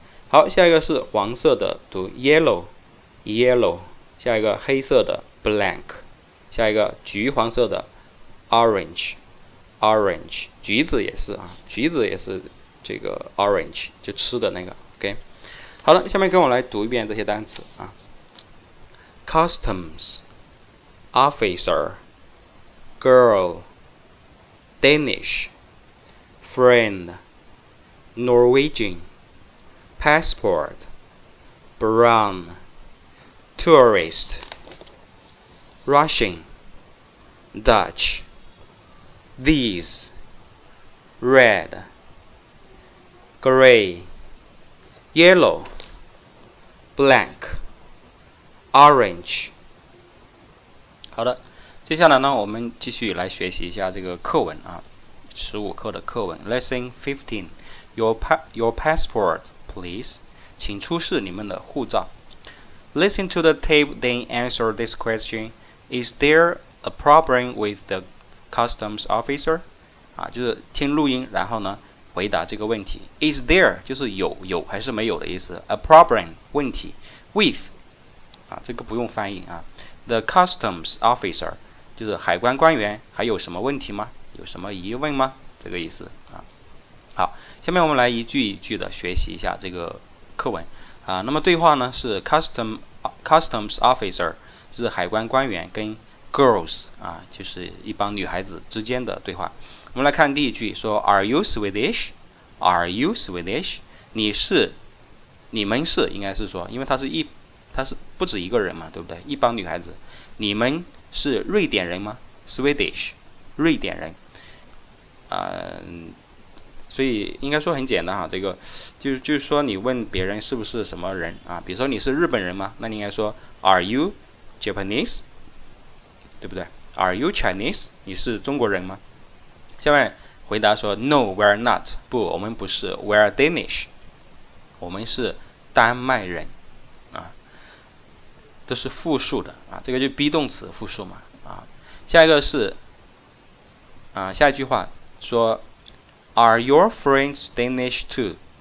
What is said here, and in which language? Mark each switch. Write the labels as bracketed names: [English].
[Chinese] 好，下一个是黄色的读 Yellow。下一个黑色的 Blank。下一个橘黄色的 Orange。橘子也是这个 Orange， 就吃的那个、好了，下面跟我来读一遍这些单词、 [English] Customs Officer Girl Danish FriendNorwegian Passport Brown Tourist Russian Dutch These Red Gray Yellow Blank Orange。 [Chinese] 好的，接下来呢我们继续来学习一下这个课文、十五课的课文 Lesson 15。 [English] Your passport, please. [Chinese] 请出示你们的护照。 [English] Listen to the tape, then answer this question. Is there a problem with the customs officer? [Chinese] 就是听录音，然后呢，回答这个问题。 [English] Is there, [Chinese] 就是有还是没有的意思。 [English] A problem, [Chinese] 问题。 With, 这个不用翻译啊。 [English] The customs officer, [Chinese] 就是海关官员，还有什么问题吗？有什么疑问吗？这个意思。好，下面我们来一句一句的学习一下这个课文、那么对话呢是 Customs Officer 就是海关官员跟 Girls、就是一帮女孩子之间的对话。我们来看第一句，说 [English] Are you Swedish? Are you Swedish? [Chinese] 你是你们是应该是说，因为他是不止一个人嘛，对不对？一帮女孩子，你们是瑞典人吗 ？Swedish， 瑞典人。所以应该说很简单哈，这个就是说你问别人是不是什么人啊，比如说你是日本人吗？那你应该说 [English] Are you Japanese？ [Chinese] 对不对 [English] ？Are you Chinese？ [Chinese] 你是中国人吗？下面回答说 [English] No， we're not。 [Chinese] 不，我们不是。 [English] We're Danish。 [Chinese] 我们是丹麦人，啊，这是复数的啊，这个就是 be 动词复数嘛，啊，下一个是，啊，下一句话说 ， [English] Are your friends Danish too？